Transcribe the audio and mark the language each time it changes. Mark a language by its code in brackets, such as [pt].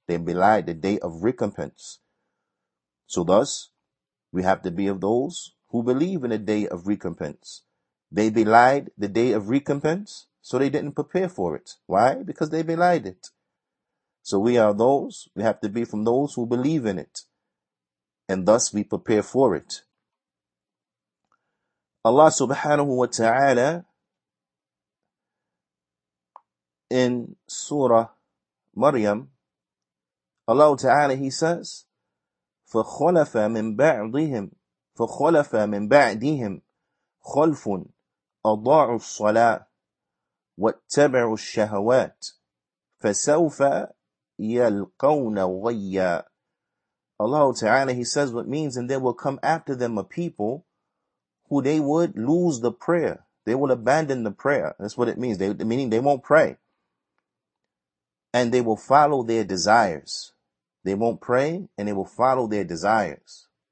[en] They belied the day of recompense. So thus, we have to be of those who believe in a day of recompense. They belied the day of recompense, So they didn't prepare for it. Why? Because they belied it. So we are those, we have to be from those who believe in it. And thus we prepare for it. [ar] Allah subhanahu wa ta'ala in Surah Maryam, Allah ta'ala, he says, فَخَلَفَ مِن بَعْضِهِمْ فَخَلَفَ مِن بَعْدِهِمْ خَلْفٌ أَضَاعُ الصَّلَاةِ وَاتَّبَعُ الشَّهَوَاتِ فَسَوْفَ يَلْقَوْنَ غَيَّا. [en] Allah ta'ala, he says what means, and there will come after them a people who they would lose the prayer. They will abandon the prayer. That's what it means. Meaning they won't pray. And they will follow their desires. They won't pray and they will follow their desires.